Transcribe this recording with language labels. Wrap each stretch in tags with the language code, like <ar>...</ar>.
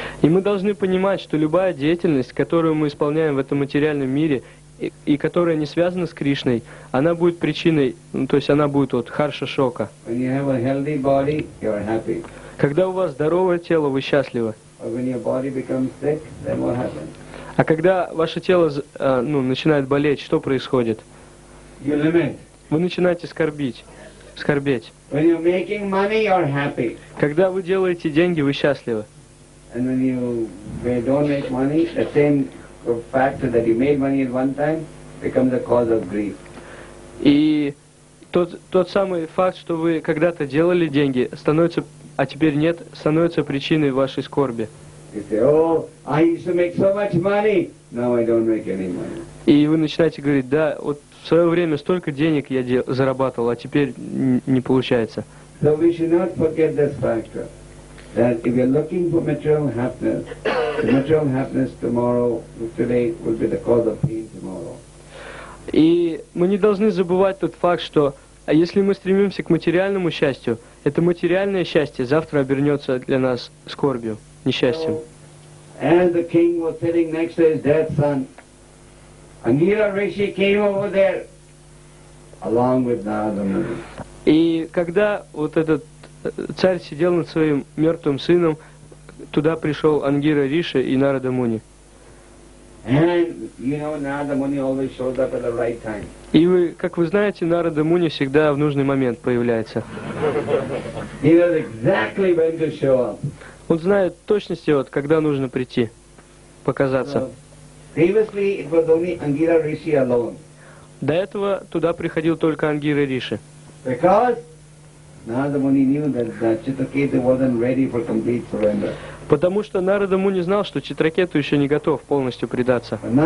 <ru>И мы должны понимать, что любая деятельность, которую мы исполняем в этом материальном мире и которая не связана с Кришной, она будет причиной, то есть она будет вот харша шока.</ru> <en>When you have a healthy body, you are happy.</en> <ru>Когда у вас здоровое тело, вы счастливы.</ru> <en>But when your body becomes sick, then what happens?</en> <ru>А когда ваше тело начинает болеть, что происходит?</ru> <en>You lament.</en> <ru>Вы начинаете скорбеть.</ru> <en>When you're making money, you're happy.</en> <ru>Когда вы делаете деньги, вы счастливы.</ru> <en>And when you don't make money, the same fact that you made money at one time becomes a cause of grief.</en> <ru>И тот самый факт, что вы когда-то делали деньги, становится причиной вашей скорби.</ru> <en>You say, "Oh, I used to make so much money. Now I don't make any money."</en> <ru>И вы начинаете говорить: "Да, вот в свое время столько денег я зарабатывал, а теперь не получается."</ru> <en>So we should not forget this factor, that if you're looking for material happiness, the material happiness tomorrow, today, will be the cause of pain tomorrow.</en> <ru>И мы не должны забывать тот факт, что если мы стремимся к материальному счастью, это материальное счастье завтра обернется для нас скорбью, несчастьем.</ru> <en>As the king was sitting next to his dead son, Angira Rishi came over there, along with Narada Muni.</en> <ru>И когда вот этот царь сидел над своим мертвым сыном, туда пришел Ангира Риши и Нарада Муни.</ru> <en>And you know, Narada Muni always shows up at the right time.</en> <ru>И вы, как вы знаете, Нарада Муни всегда в нужный момент появляется.</ru> <en>He knows exactly when to show up.</en> <ru>Он знает в точности, вот, когда нужно прийти, показаться.</ru> <en>Previously it was only Angira Rishi alone.</en> <ru>До этого туда приходил только Ангира Риши.</ru> <en>Because Narada Muni knew that Chitraketu wasn't ready for complete surrender.</en> <ru>Потому что Нарада Муни знал, что Читракету еще не готов полностью предаться.</ru>